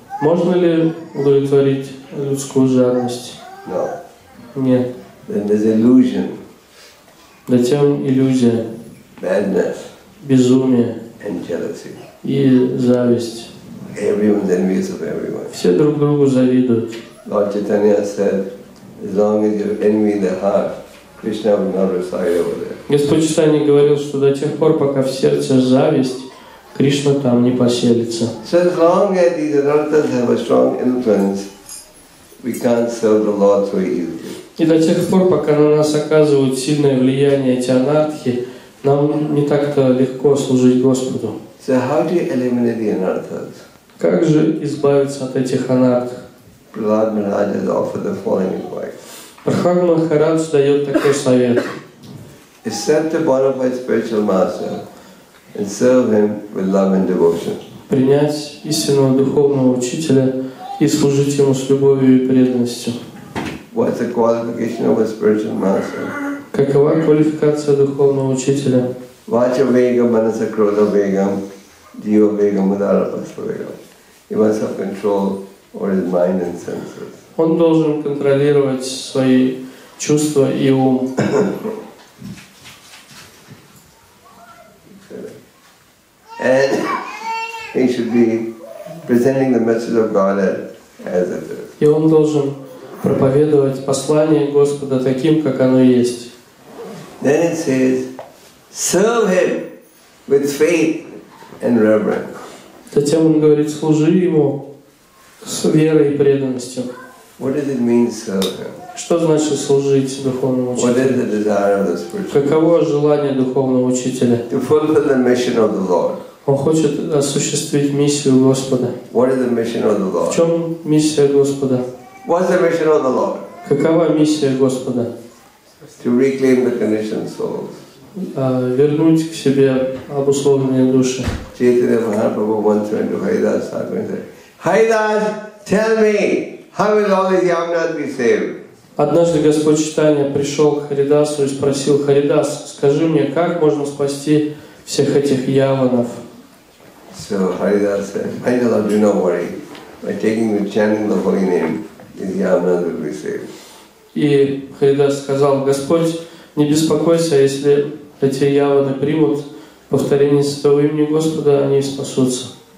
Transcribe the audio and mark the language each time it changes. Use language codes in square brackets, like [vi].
[ru] Можно ли удовлетворить людскую жадность? [en] No. [ru] Нет. [en] Then there's illusion. [ru] Затем иллюзия. [en] Madness. [ru] Безумие. [en] And jealousy. [ru] И зависть. [en] Everyone's envious of everyone. [ru] Все друг другу завидуют. [en] Lord Chaitanya said, as long as you envy the heart, Krishna will not reside over there. [ru] Господь Читания говорил, что до тех пор, пока в сердце зависть, Кришна там не поселится. [en] So as long as these anarthas have a strong influence, we can't serve the Lord so easily. [ru] И до тех пор, пока на нас оказывают сильное влияние эти анартхи, нам не так-то легко служить Господу. [en] So how do you eliminate the anarthas? [ru] Как же избавиться от этих анартх? [en] Prahlad Maharaj has offered the following advice. [ru] Прахлад Махарадж дает такой совет. [en] Accept a bona fide spiritual master and serve him with love and devotion. [ru] Принять истинного духовного учителя и служить ему с любовью и преданностью. [en] What's the qualification of a spiritual master? [ru] Какова квалификация духовного учителя? [sa] Vacha vegam, manasa krodha vegam, jiva vegam, mudara paspa vegam. [en] He must have control over his mind and senses. [ru] Он должен контролировать свои чувства и ум. [en] And he should be presenting the message of Godhead as it is. [ru] И он должен проповедовать послание Господа таким, как оно есть. [en] Then it says, serve him with faith and reverence. [ru] Затем он говорит, служи ему с верой и преданностью. [en] What does it mean, serve him? [ru] Что значит служить духовному учителю? [en] What is the desire of the spiritual? [ru] Каково желание духовного учителя? [en] To fulfill the mission of the Lord. [ru] Он хочет осуществить миссию Господа. [en] What is the mission of the Lord? [ru] В чем миссия Господа? [en] What's the mission of the Lord? [ru] Какова миссия Господа? [en] To reclaim the conditioned souls. [ru] Вернуть к себе обусловленные души. [en] Chaitanya Mahaprabhu once went to Haridas Thakur and said, Haridas, tell me, how will all these yamnas be saved? [ru] Однажды Господь Читания пришел к Харидасу и спросил, Харидас, скажи мне, как можно спасти всех этих яванов? [en] So Haridas said, Haridas, do not worry. By taking the chanting the holy name, these yamnas will be saved. [ru] И Харидас сказал, Господь, не беспокойся, если эти яваны примут повторение святого имени Господа, они спасутся.